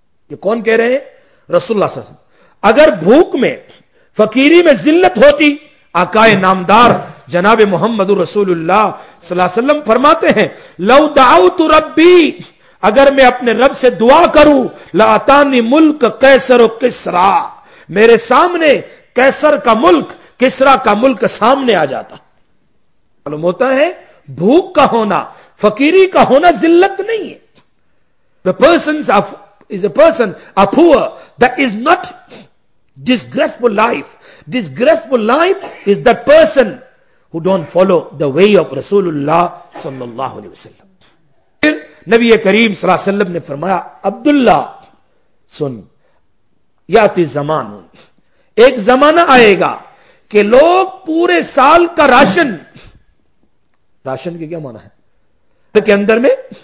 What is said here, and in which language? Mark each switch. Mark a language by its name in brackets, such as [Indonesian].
[Urdu] یہ کون کہہ رہے ہیں؟ رسول اللہ صلی اللہ علیہ وسلم۔ اگر بھوک میں فقیری میں ذلت ہوتی، آقائے نامدار جناب محمد رسول اللہ صلی اللہ علیہ وسلم فرماتے ہیں [Arabic] لو دعوت ربی، [Urdu] اگر میں اپنے رب سے دعا کروں، [Arabic] لاتانی ملک قیصر و کسرا، [Urdu] میرے سامنے قیصر کا ملک کسرا کا ملک سامنے آ جاتا۔ معلوم ہوتا ہے بھوک کا ہونا فقیری کا ہونا ذلت نہیں ہے۔ [English] The person is a person, a poor, that is not disgraceful life. Disgraceful life is that person who don't follow the way of Rasulullah sallallahu alayhi wa sallam. [Urdu] پھر نبی کریم صلی اللہ علیہ وسلم نے فرمایا عبداللہ سن، [Arabic] یاتی زمان، [Urdu] ایک زمانہ آئے گا کہ لوگ پورے سال کا راشن، راشن کے کیا معنی ہے، کے اندر میں